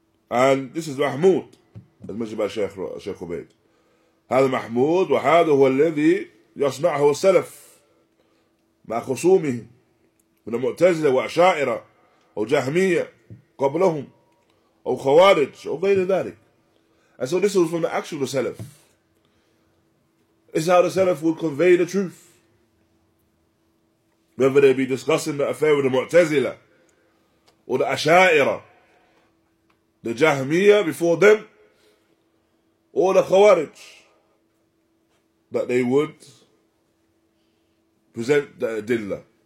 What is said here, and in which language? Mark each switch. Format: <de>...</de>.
<en>And this is Mahmud, as mentioned by Sheikh Ubaid.</en> <ar>هذا محمود وهذا هو الذي يصنعه السلف مع خصومهم من المعتزلة وأشاعرة أو جهمية قبلهم أو خوارج أو غير ذلك.</ar> <en>And so this was from the actual Salaf. This is how the Salaf would convey the truth. Whether they be discussing the affair with the Mu'tazila or the Asha'ira, the Jahmiyyah before them, or the Khawarij, that they would present the Adilla.</en>